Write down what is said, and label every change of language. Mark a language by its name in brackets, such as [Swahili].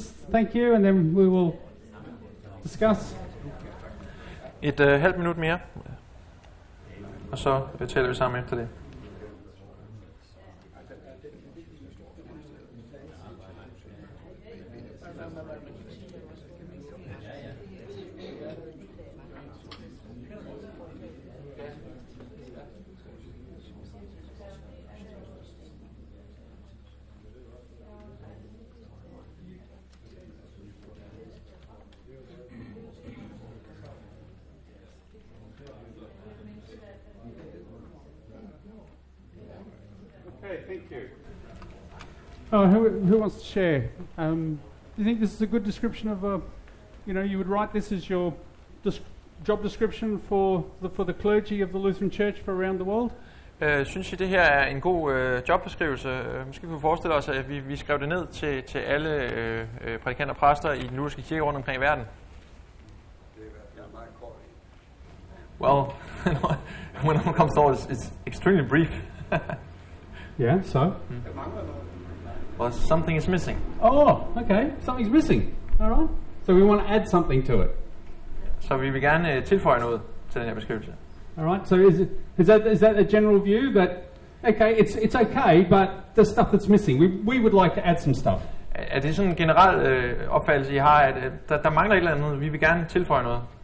[English] Thank you, and then we will discuss. [Danish] Et halvt minut mere, og så betaler vi sammen efter det. [English] Who wants to share? Do you think this is a good description of a, you know, you would write this as your job description for the clergy of the Lutheran Church for around the world? [Danish] Synes I det her er en god jobbeskrivelse? Måske kunne vi forestille os, at vi skrev det ned til alle prædikanter og præster i den lutherske kirke rundt omkring i verden. [English] Well, when it comes to all, it's extremely brief. Yeah, so? Well, something is missing. Oh, okay. Something's missing. All right. So we want to add something to it. So we began [Danish] tilføje noget til den her beskrivelse. [English] All right. So is that a general view that okay, it's okay, but the stuff that's missing, we would like to add some stuff. [Danish] Er det sådan en generel opfattelse I har, at der mangler et eller andet, vi vil gerne tilføje noget.